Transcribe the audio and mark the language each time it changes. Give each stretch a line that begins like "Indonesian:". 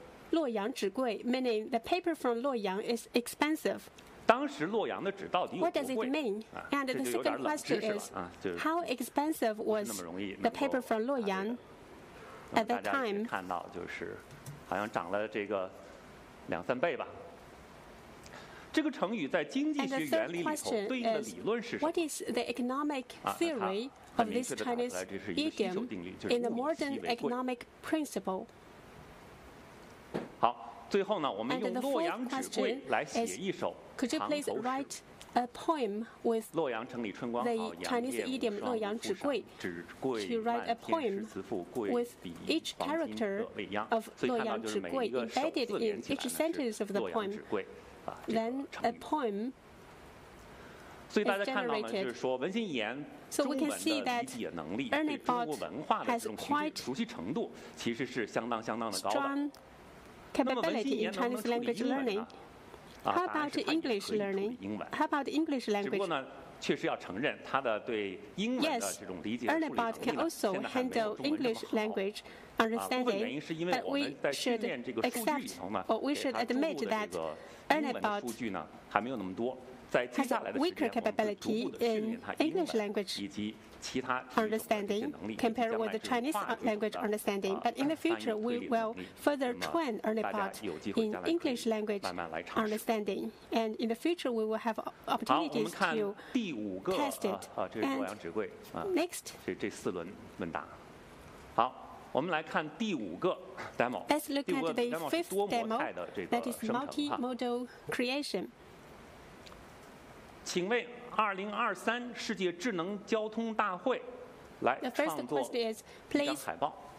English: 洛阳纸贵 meaning the paper from 洛阳 is expensive.
Chinese: 当时洛阳的纸到底有多贵
English: What does it mean? And the second question is, how expensive was the paper from 洛阳 at that time?
Chinese: 大家也看到就是好像涨了这个两三倍吧。这个成语在经济学原理里头对应的理论是什么
English: What is the economic theory of this Chinese idiom in the modern economic principle?
Chinese: 好，最后呢，我们用洛阳纸贵来写一首《
English: Could you please write a poem with
Chinese: 洛阳城里春光好，杨业无双，洛阳纸贵，纸贵
English: ，To write a poem with each character of 洛阳纸贵 embedded in each sentence of the poem, then a poem is generated. So we can see that Ernie Bot has quite
Chinese: 熟悉程度，其实是相当的高的。
English: Capability in Chinese language learning. How about English learning? How about English language?
Chinese: 只不过呢，确实要承认他的对英文的这种理解处理能力呢
English: Ernie Bot can also handle English language understanding, but we should accept or we should admit that Ernie Bot has a weaker capability in English language understanding compared with the Chinese language understanding. But in the future, we will further train Ernie Bot in English language understanding. And in the future, we will have opportunities to test it. And next,
Chinese: 这四轮问答。好，我们来看第五个 demo。
English: Let's look at the fifth demo, that is multi-modal creation.
Chinese: 请为2023世界智能交通大会来创作一张海报。